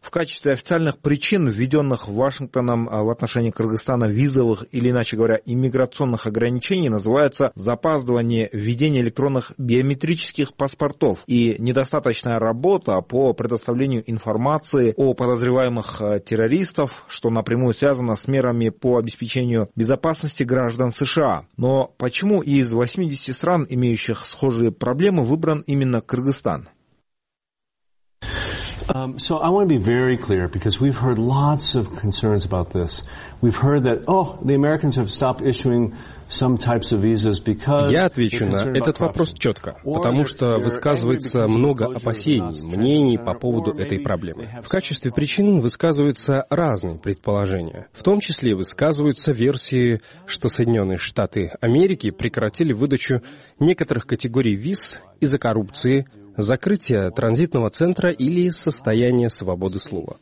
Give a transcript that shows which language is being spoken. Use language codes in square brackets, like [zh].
[ru] В качестве официальных причин, введенных Вашингтоном в отношении Кыргызстана визовых или, иначе говоря, иммиграционных ограничений, называется запаздывание введения электронных биометрических паспортов и недостаточная работа по предоставлению информации о подозреваемых террористов, что напрямую связано с мерами по обеспечению безопасности граждан США. Но почему из 80 стран, имеющих схожие проблемы, выбран именно Кыргызстан? [en] So I want to be very clear, because we've heard lots of concerns about this. We've heard that, oh, the Americans have stopped issuing some types of visas because... [ru] Я отвечу на этот вопрос четко, потому что высказывается много опасений, мнений по поводу этой проблемы. В качестве причин высказываются разные предположения. В том числе высказываются версии, что Соединенные Штаты Америки прекратили выдачу некоторых категорий виз из-за коррупции, закрытие транзитного центра или состояние свободы слова.